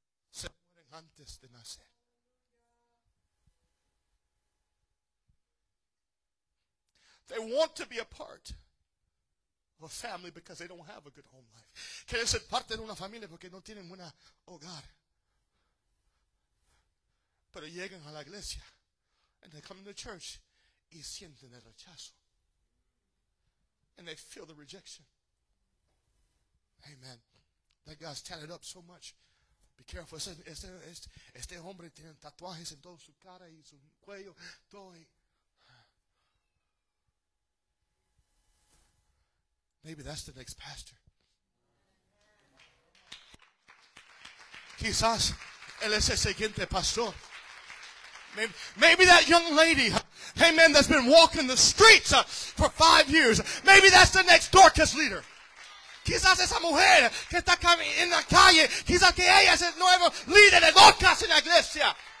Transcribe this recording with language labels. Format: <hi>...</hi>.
<es>Se mueren antes de nacer.</es> <en>They want to be a part of a family because they don't have a good home life.</en> <es>Quieren ser parte de una familia porque no tienen buena hogar. Pero llegan a la iglesia.</es> <en>And they come to church</en> <es>y sienten el rechazo.</es> <en>And they feel the rejection. Amen. That guy's tatted up so much. Be careful.</en> <es>Este hombre tiene tatuajes en todo su cara y su cuello. Todo.</es> <en>Maybe that's the next pastor.</en> <es>Quizás él es el siguiente pastor.</es> <en>Maybe that young lady, amen, that's been walking the streets for 5 years. Maybe that's the next Dorcas leader.</en> <es>Quizás esa mujer que está en la calle. Quizás que ella es el nuevo líder de Dorcas en la iglesia.</es>